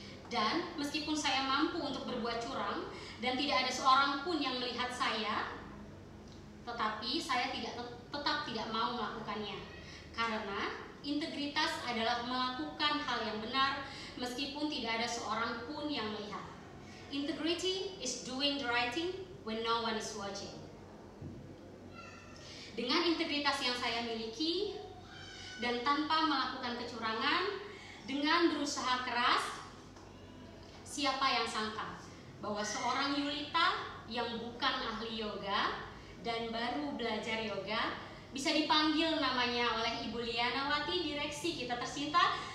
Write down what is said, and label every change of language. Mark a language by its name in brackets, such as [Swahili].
[Indonesian] Dan meskipun saya mampu untuk berbuat curang dan tidak ada seorang pun yang melihat saya, tetapi saya tetap tidak mau melakukannya. Karena integritas adalah melakukan hal yang benar meskipun tidak ada seorang pun yang melihat. [English] Integrity is doing the right thing when no one is watching. [Indonesian] Dengan integritas yang saya miliki dan tanpa melakukan kecurangan, dengan berusaha keras, siapa yang sangka bahwa seorang Yulita yang bukan ahli yoga dan baru belajar yoga bisa dipanggil namanya oleh Ibu Lianawati, direksi kita tercinta,